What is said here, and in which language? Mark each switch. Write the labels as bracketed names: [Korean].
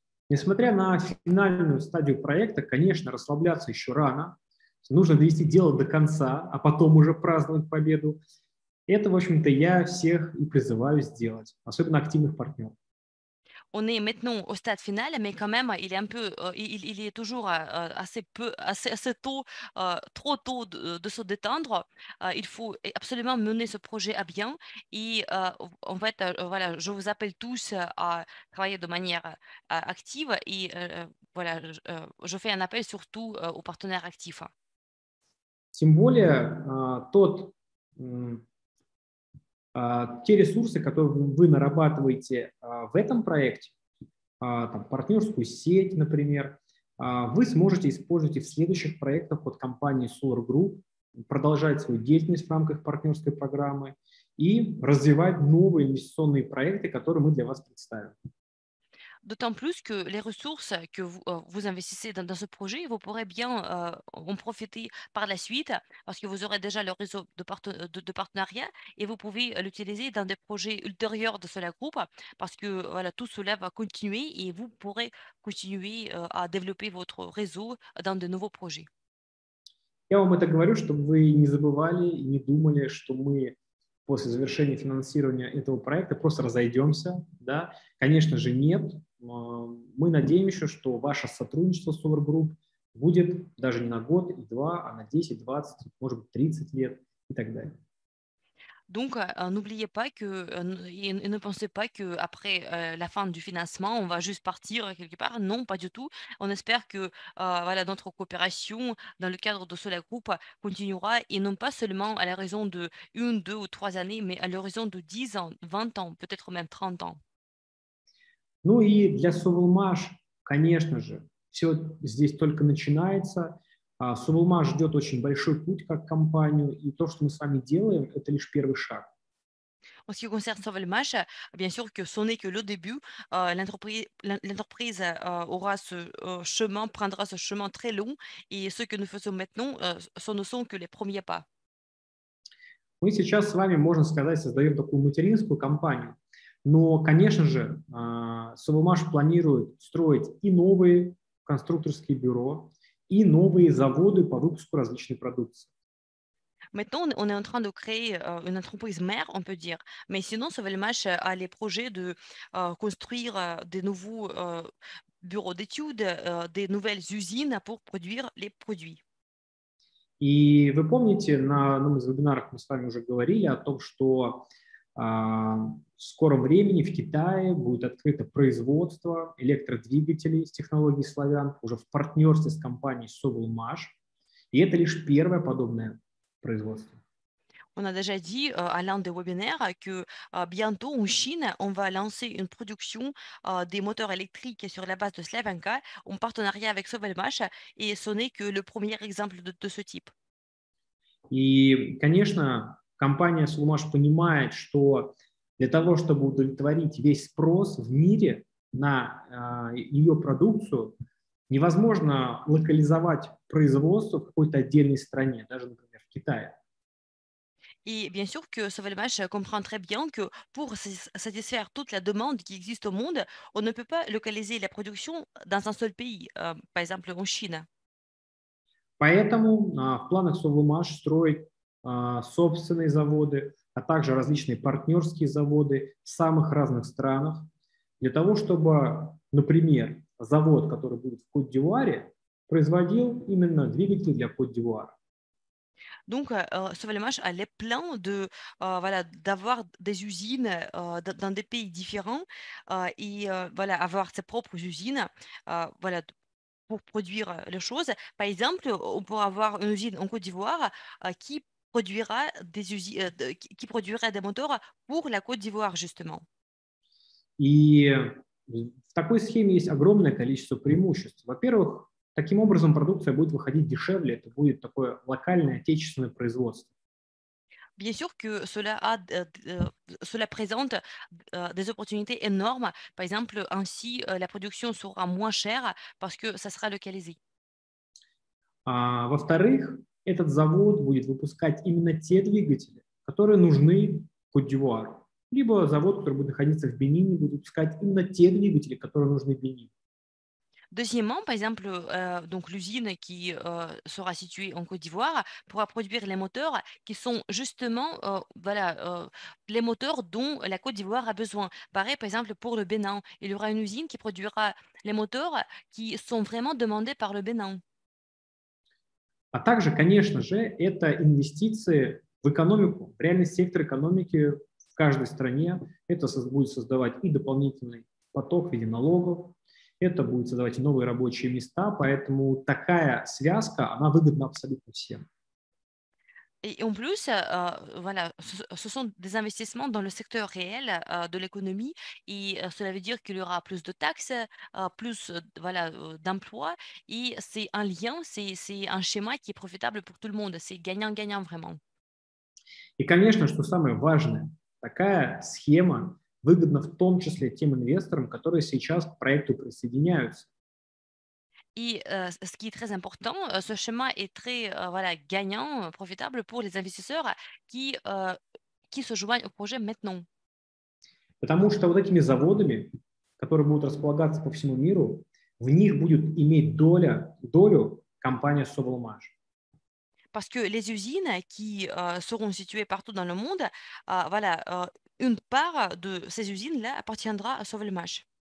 [Russian] Несмотря на финальную стадию проекта, конечно, расслабляться еще рано. Нужно довести дело до конца, а потом уже праздновать победу. Это, в общем-то, я всех и призываю сделать, особенно активных партнеров. [French] On est maintenant au stade final, mais quand même, il est un peu, il est toujours assez peu, assez tôt, trop tôt de se détendre. Il faut absolument mener ce projet à bien. Et en fait, voilà, je vous appelle tous à travailler de manière active. Et voilà, je fais un appel surtout aux partenaires actifs. [Russian] Тем более, те ресурсы, которые вы нарабатываете в этом проекте, там, партнерскую сеть, например, вы сможете использовать и в следующих проектах от компании Solar Group, продолжать свою деятельность в рамках партнерской программы и развивать новые инвестиционные проекты, которые мы для вас представим. [French] D'autant plus que les ressources que vous investissez dans ce projet, vous pourrez bien en profiter par la suite parce que vous aurez déjà le réseau de partenariat et vous pouvez l'utiliser dans des projets ultérieurs de Solar Group parce que voilà, tout cela va continuer et vous pourrez continuer à développer votre réseau dans de nouveaux projets. [Russian] Я вам это говорю, чтобы вы не забывали и не думали, что мы после завершения финансирования этого проекта просто разойдемся, да? Конечно же, нет. Мы надеемся, что ваше сотрудничество с Solar Group будет даже не на год и два, а на 10, 20, может быть, 30 лет и так далее. [French] Donc, n'oubliez pas que, et ne pensez pas qu'après la fin du financement, on va juste partir quelque part. Non, pas du tout. On espère que notre coopération dans le cadre de Solar Group continuera et non pas seulement à la raison de 1, 2 ou 3 années, mais à la raison de 10 ans, 20 ans, peut-être même 30 ans. [Russian] Ну и для Sovelmash, конечно же, все здесь только начинается. Sovelmash ждет очень большой путь как компанию, и то, что мы с вами делаем, это лишь первый шаг. [French] En ce qui concerne Sovelmash, bien sûr que ce n'est que le début. L'entreprise aura ce chemin, prendra ce chemin très long, et ce que nous faisons maintenant, ce ne sont que les premiers pas. [Russian] Мы сейчас с вами, можно сказать, создаем такую материнскую компанию. Но, конечно же, Sovelmash планирует строить и новые конструкторские бюро, и новые заводы по выпуску различной продукции. [French] Maintenant, on est en train de créer une entreprise mère, on peut dire. Mais sinon, Sovelmash a les projets de construire des nouveaux bureaux d'études, des nouvelles usines pour produire les produits. [Russian] И вы помните, на одном из вебинаров мы с вами уже говорили о том, что в скором времени в Китае будет открыто производство электродвигателей с технологией Славян уже в партнерстве с компанией Sovelmash. И это лишь первое подобное производство. [French] on a déjà dit à l'un des webinaires que bientôt en Chine, on va lancer une production des moteurs électriques sur la base de Slavenka en partenariat avec Sovelmash, et ce n'est que le premier exemple de ce type. [Russian] И, конечно, компания Sovelmash понимает, что для того, чтобы удовлетворить весь спрос в мире на ее продукцию, невозможно локализовать производство в какой-то отдельной стране, даже, например, в Китае. [French] Et bien sûr que Sovelmash comprend très bien que pour satisfaire toute la demande qui existe au monde, on ne peut pas localiser la production dans un seul pays, par exemple en Chine. [Russian] Поэтому в планах Sovelmash строить собственные заводы, а также различные партнерские заводы в самых разных странах, для того, чтобы, например, завод, который будет в Кот-д'Ивуаре, производил именно двигатели для Кот-д'Ивуара. [French] Donc, Sovelmash a les plans de, voilà, d'avoir des usines dans des pays différents et voilà, avoir ses propres usines voilà, pour produire les choses. Par exemple, on pourra avoir une usine en Côte d'Ivoire qui produira des moteurs pour la Côte d'Ivoire, justement. Et dans cette [Russian] схеме, [French] il y a un grand nombre d'avantages. [Russian] Таким образом, продукция будет выходить дешевле, это будет такое локальное отечественное производство. [French] Bien sûr que cela présente des opportunités énormes. Par exemple, ainsi la production sera moins chère parce que ça sera localisé. [Russian] Во-вторых, этот завод будет выпускать именно те двигатели, которые нужны Кот-д'Ивуару. Либо завод, который будет находиться в Бенине, будет выпускать именно те двигатели, которые нужны Бенину. [French] Deuxièmement, par exemple, donc l'usine qui sera située en Côte d'Ivoire pourra produire les moteurs qui sont justement voilà, les moteurs dont la Côte d'Ivoire a besoin. Pareil, par exemple, pour le Bénin, il y aura une usine qui produira les moteurs qui sont vraiment demandés par le Bénin. [Russian] А также, конечно же, это инвестиции в экономику, в реальный сектор экономики в каждой стране. Это будет создавать и дополнительный поток в виде налогов. Это будет создавать новые рабочие места, поэтому такая связка, она выгодна абсолютно всем. [French] Et en plus, voilà, ce sont des investissements dans le secteur réel de l'économie, et cela veut dire qu'il y aura plus de taxes, plus voilà, d'emplois, et c'est un lien, c'est un schéma qui est profitable pour tout le monde, c'est gagnant-gagnant vraiment. Et, [Russian] конечно, что самое важное, такая схема выгодно в том числе тем инвесторам, которые сейчас к проекту присоединяются. И, [French] ce qui est très important, ce schéma est très voilà, gagnant, profitable pour les investisseurs qui se joignent au projet maintenant. [Russian] Потому что вот этими заводами, которые будут располагаться по всему миру, в них будет иметь долю компания Sovelmash. [French] Parce que les usines qui seront situées partout dans le monde, voilà, une part de ces usines-là appartiendra à Sovelmash.